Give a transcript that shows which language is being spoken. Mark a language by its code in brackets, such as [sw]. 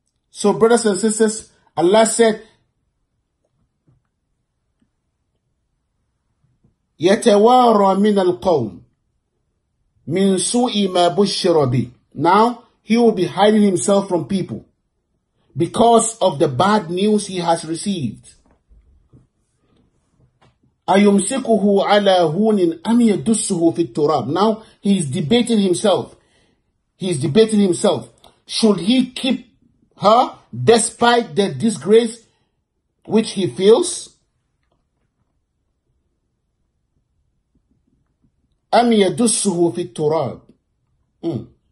[en] So brothers and sisters, Allah said, [ar] يَتَوَارَ مِنَ الْقَوْمِ مِنْ سُوءِ مَا بُشِّرَ بِهِ [en] Now, he will be hiding himself from people because of the bad news he has received. [ar] أَيُمْسِكُهُ عَلَى هُونٍ أَمْ يَدُسُّهُ فِي التُّرَابِ. [en] Now, he is debating himself. He is debating himself. Should he keep her despite the disgrace which he feels? [ar] أَمْ يَدُسُّهُ فِي التُّرَابِ.